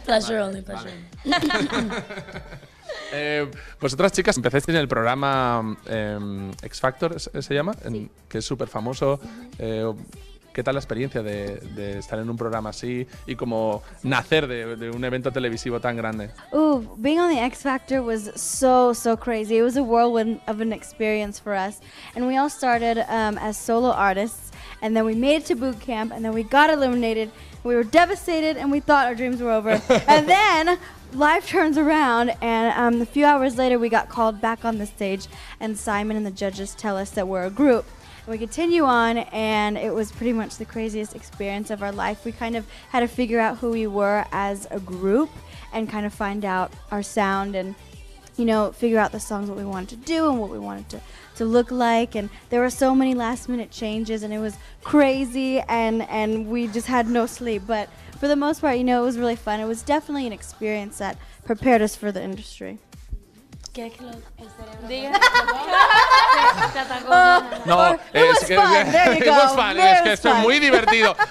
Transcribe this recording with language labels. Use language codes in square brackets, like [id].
[en] Pleasure vale, only, pleasure. Vale. [es] Vosotras chicas, empecéis en el programa X Factor, ¿se llama? Sí. Que es súper famoso. Uh-huh. ¿Qué tal la experiencia de estar en un programa así y como nacer de un evento televisivo tan grande? [en] Ooh, being on the X Factor was so crazy. It was a whirlwind of an experience for us. And we all started as solo artists, and then we made it to boot camp, and then we got eliminated. We were devastated, and we thought our dreams were over. And then life turns around, and a few hours later, we got called back on the stage, and Simon and the judges tell us that we're a group. We continue on, and it was pretty much the craziest experience of our life. We kind of had to figure out who we were as a group and kind of find out our sound and you know, figure out the songs, what we wanted to do and what we wanted to look like. And there were so many last minute changes and it was crazy, and we just had no sleep. But for the most part, you know, it was really fun. It was definitely an experience that prepared us for the industry. [es] No, es que es que esto es muy divertido.